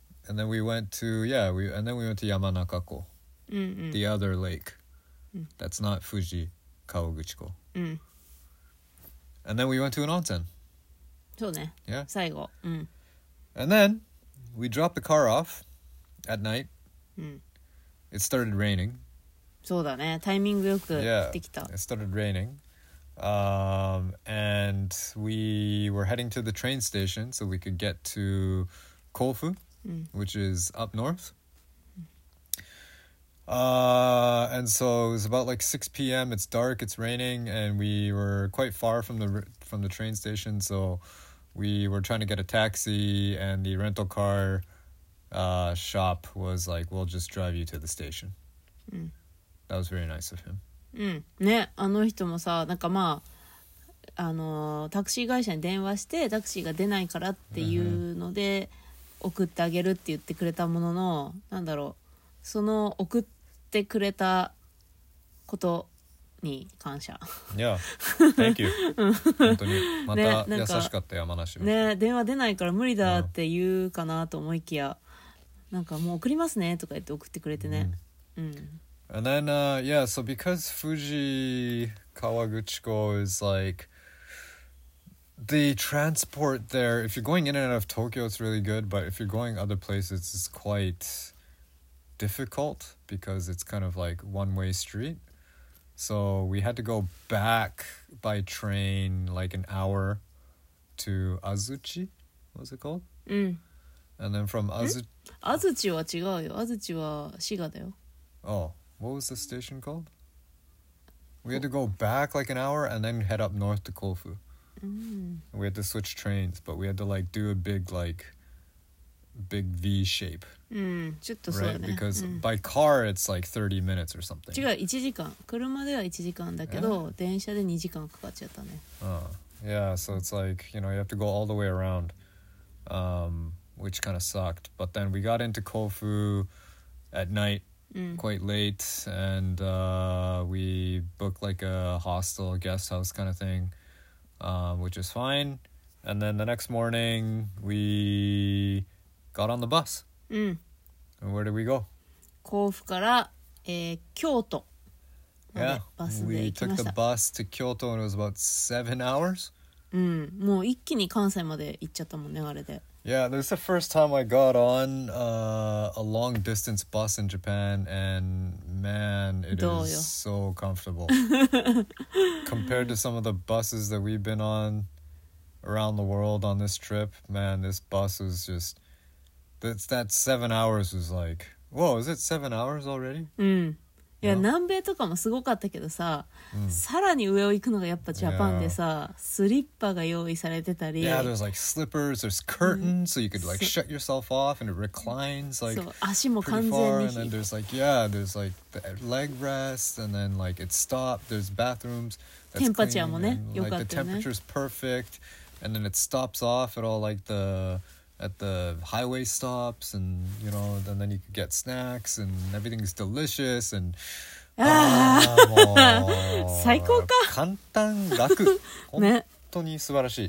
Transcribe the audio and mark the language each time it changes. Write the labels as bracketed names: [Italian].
[English] And then we went to Yamanakako, the other lake. That's not Fuji, Kawaguchi Ko. And then we went to an onsen. [Japanese] そうね、 [English] yeah. [Japanese] 最後、うん、 [English] And then we dropped the car off at night、It started raining [Japanese] そうだねタイミングよく降ってきた、 [English] It started raining、And we were heading to the train station so we could get to Kofu、Which is up north、And so it was about like 6 p.m. It's dark, it's raining and we were quite far from the train station soWe were trying to get a taxi and the rental car shop was like, we'll just drive you to the station.、That was very nice of him. [Japanese] ね、あの人もさ、なんかまあ、あの、タクシー会社に電話してタクシーが出ないからっていうので、送ってあげるって言ってくれたものの、なんだろう、その送ってくれたことに感謝。 [English] いや、thank you 。 [Japanese] 本当にまた優しかった山梨。ね、電話出ないから無理だって言うかなと思いきや、なんかもう送りますねとか言って送ってくれてね。 [English] And then yeah, so because Fuji Kawaguchiko is like the transport there. If you're going in and out of Tokyo, it's really good. But if you're going other places, it's quite difficult because it's kind of like one way street. So we had to go back by train like an hour to Azuchi, what was it called? And then from Azuchi... [Japanese] Azuchi は違うよ。 Azuchi は Shiga だよ。 [English] Oh, what was the station called? We had to go back like an hour and then head up north to Kofu. We had to switch trains, but we had to like do a big like... big V shape. [Japanese] ちょっとそうだね。 [English] Right? Because by car it's like 30 minutes or something. [Japanese] 違う、1時間。車では1時間だけど、電車で2時間かかっちゃったね。 [English] Yeah, so it's like, you know, you have to go all the way around, which kind of sucked. But then we got into Kofu at night, quite late, and we booked like a hostel, guest house kind of thing, which is fine. And then the next morning, we... Got on the bus. And where did we go? [Japanese] Kofu から、Kyoto. [English] Yeah, we took the bus to Kyoto and it was about 7 hours. [Japanese] もう一気に関西まで行っちゃったもんね、あれで。 [English] Yeah, this is the first time I got on a long distance bus in Japan and man, it is so comfortable. Compared to some of the buses that we've been on around the world on this trip, man, this bus is just... That 7 hours was like, whoa, is it 7 hours already? [Japanese] いや、南米とかもすごかったけどさ、さらに上を行くのがやっぱジャパンでさ、スリッパが用意されてたり。 [English] Yeah, there's like slippers, there's curtains, so you could like shut yourself off and it reclines like pretty far. And then there's like, yeah, there's like the leg rest and then like it stopped, there's bathrooms. [Japanese] テンパチャーもね、よかったよね。 [English] The temperature's perfect and then it stops off at all like the... at the highway stops and you know and then you could get snacks and everything's delicious and [Japanese] ああ最高か簡単楽本当に素晴らしい、